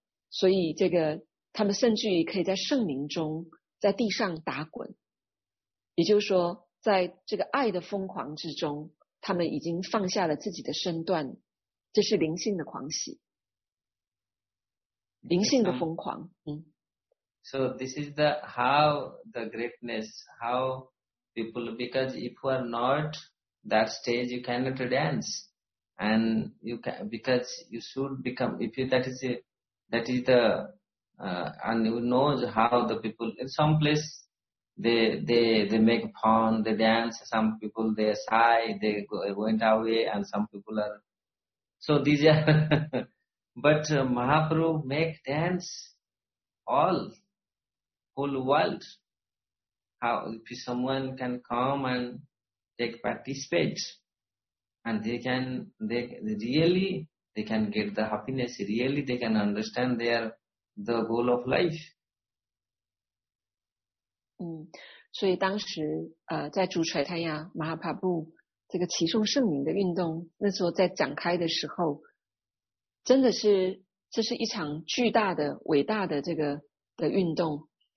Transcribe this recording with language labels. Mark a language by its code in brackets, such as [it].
[zh] 所以这个他们甚至于可以在圣名中在地上打滚，也就是说在这个爱的疯狂之中，他们已经放下了自己的身段，这是灵性的狂喜，灵性的疯狂。 [en] So this is the how the greatness, how people, because if you are not that stage, you cannot dance, and you can, because you should become, if you, that is the and you know how the people, in some place they make fun, they dance, some people they sigh, they went away, and some people are, so these are, but Mahaprabhu make dance all whole world. How if someone can come and take participate, and they can get the happiness, really they can understand their the goal of life. [zh] 所以当时在主垂泰呀马哈帕布这个齐颂圣名的运动那时候在展开的时候，真的是这是一场巨大的伟大的这个的运动，